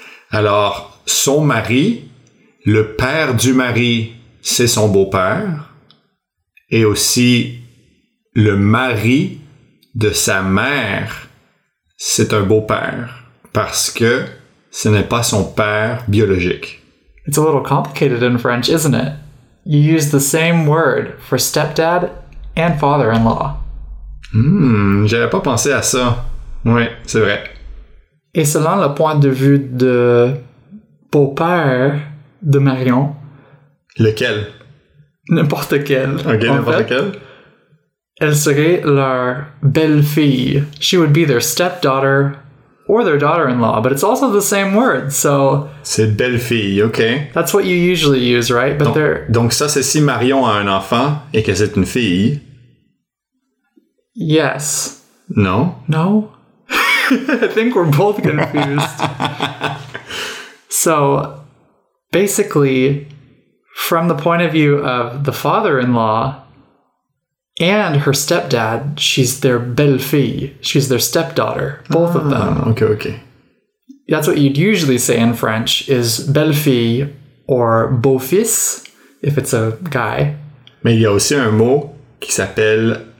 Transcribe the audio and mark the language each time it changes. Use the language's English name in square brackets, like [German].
[French] Alors, son mari, le père du mari, c'est son beau-père. Et aussi, le mari de sa mère, c'est un beau-père. Parce que ce n'est pas son père biologique. [English] It's a little complicated in French, isn't it? You use the same word for stepdad and father-in-law. [French] J'avais pas pensé à ça. Oui, c'est vrai. Et selon le point de vue de beau-père de Marion... Lequel? N'importe quel. Ok, n'importe quel. Elle serait leur belle-fille. [English] She would be their stepdaughter or their daughter-in-law, but it's also the same word, so... [French] C'est belle-fille, ok. [English] That's what you usually use, right? [French] But donc ça, c'est si Marion a un enfant et que c'est une fille... [English] Yes. No. No. I think we're both confused. So, basically, from the point of view of the father-in-law and her stepdad, she's their belle-fille. She's their stepdaughter. Both of them. Okay, okay. That's what you'd usually say in French, is belle-fille or beau-fils, if it's a guy. [French] Mais il y a aussi un mot qui s'appelle...